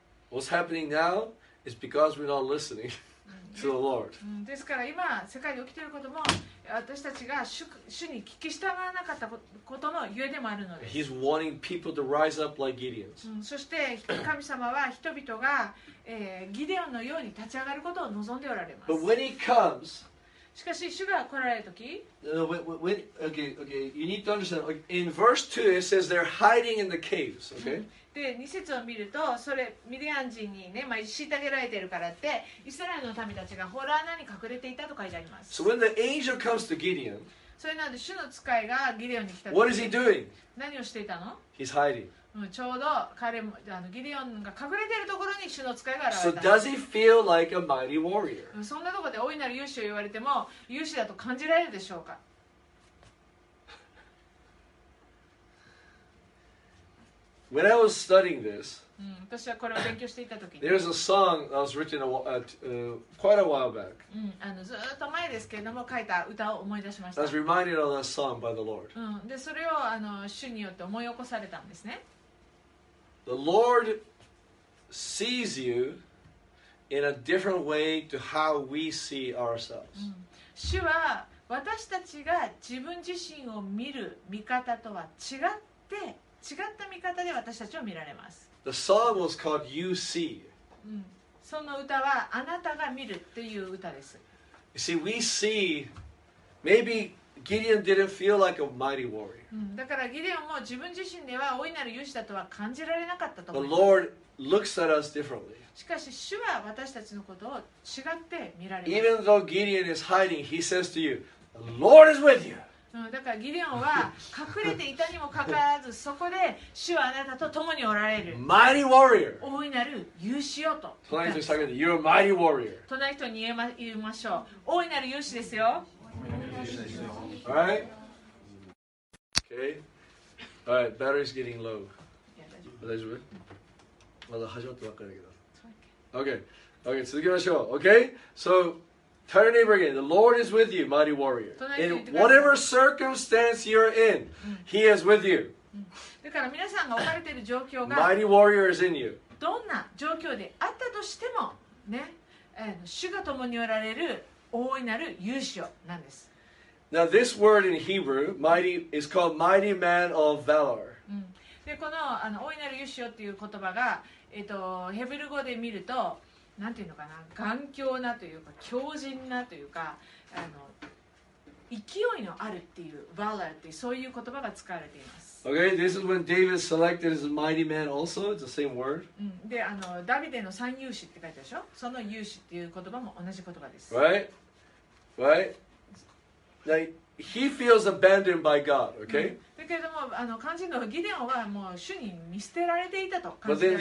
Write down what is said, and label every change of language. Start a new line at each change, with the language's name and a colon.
English: What's happening now is because we're not listening. To the Lord.
Japanese: ですから今世界で起きていることも私たちが 主に聞き従わなかったことのゆえでもあるのです。
English: He's wanting people to rise up like Gideon.
Japanese: そして神様は人々が、ギデオンのように立ち上がることを望んでおられます。
English: But when he comes,
Japanese: しかし主が来られるとき、
English: you need to understand. In verse 2, it says they're hiding in the caves. Okay.
Japanese: で2節を見るとそれミディアン人にね、まあ、虐げられているからってイスラエルの民たちがホラー穴に隠れていたと書いてあります。
English: So when the angel comes to Gideon,
Japanese: それなので主の使いがギデオンに来た時
English: What is he doing?
Japanese: 何をしていたの
English: He's hiding.、
Japanese: うん、ちょうど彼もあのギデオンが隠れているところに主の使いが現れた。
English: So does he feel like a mighty warrior?
Japanese: そんなところで大いなる勇士を言われても勇士だと感じられるでしょうか。
English: When I was studying this,
Japanese: 私はこれを勉強していた時に、
English: there's a song that was written quite a while back.
Japanese: ずっと前ですけれども書いた歌を思い出しました。
English: I was reminded of that song by the Lord.
Japanese: でそれを主によって思い起こされたんですね。
English: The Lord sees you in a different way to how we see ourselves.
Japanese: 主は私たちが自分自身を見る見方とは違って。違った見方で私たちを見られます。
English: The song was called You See.
Japanese: その歌はあなたが見るという歌です。
English: You see, we see. Maybe Gideon didn't feel like a mighty warrior.
Japanese: だからギデオンも自分自身では大いなる勇士だとは感じられなかったと思います。
English: The Lord looks at us differently.
Japanese: しかし主は私たちのことを違って見られます。
English: Even though Gideon is hiding, he says to you, "The Lord is with you."
Japanese: だからギデオンは隠れていたにもかかわらずそこで主はあなたと共におられる。
English: Mighty warrior.
Japanese: 大いなる勇士よと。隣人に言って、
English: You're a mighty warrior.
Japanese: 隣人に言いましょう。大いなる勇士ですよ。
English: All right. Okay. All right. Battery's getting low.
Japanese: 大丈夫？まだ始まったばっかりだけど。
English: Okay. Okay.
Japanese: 続きましょう。
English: Okay. So. Turn your neighbor again. The Lord is with you, mighty warrior. In whatever circumstance you're in, He is with you.
Japanese: だから皆さんが置かれている状況が、
English: mighty warrior is in you.
Japanese: どんな状況であったとしても、ね、主が共におられる大いなる勇士よなんです。
English: Now this word in Hebrew, mighty, is called mighty man of valor.
Japanese: で、この、大いなる勇士よっていう言葉が、ヘブル語で見ると、なんていうのかな、頑強なというか強靭なというか勢いのあるっていう valor っていうそういう言葉が使われています。
English: Okay, this is when David selected his mighty man also. It's the same word.
Japanese: で、ダビデの三勇士って書いてあるでしょ。その勇士っていう言葉も同じ言葉です。
English: Right, right. Like, He feels abandoned by God, okay?
Japanese: だけども、あの、肝心のギデオンはもう主に見捨てられていたと感じられた。